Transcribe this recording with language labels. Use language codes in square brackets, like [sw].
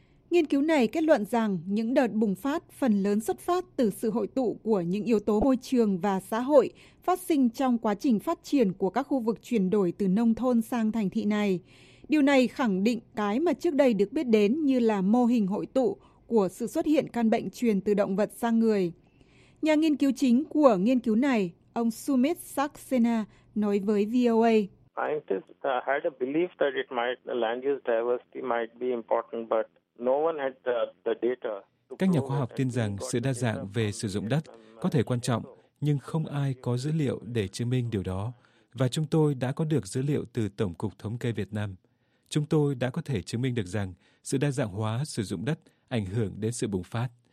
[vi] Nghiên cứu này kết luận rằng những đợt bùng phát phần lớn xuất phát từ sự hội tụ của những yếu tố môi trường và xã hội phát sinh trong quá trình phát triển của các khu vực chuyển đổi từ nông thôn sang thành thị này. Điều này khẳng định cái mà trước đây được biết đến như là mô hình hội tụ của sự xuất hiện căn bệnh truyền từ động vật sang người. Nhà nghiên cứu chính của nghiên cứu này, ông Sumit Saxena, nói với VOA. [en] Scientists had a belief that it might the land use diversity might be important, but no one had the data. [vi] Các nhà khoa học tin rằng sự đa dạng về sử dụng đất có thể quan trọng, nhưng không ai có dữ liệu để chứng minh điều đó. Và chúng tôi đã có được dữ liệu từ Tổng cục Thống kê Việt Nam. Chúng tôi đã có thể chứng minh được rằng sự đa dạng hóa sử dụng đất ảnh hưởng đến sự bùng phát.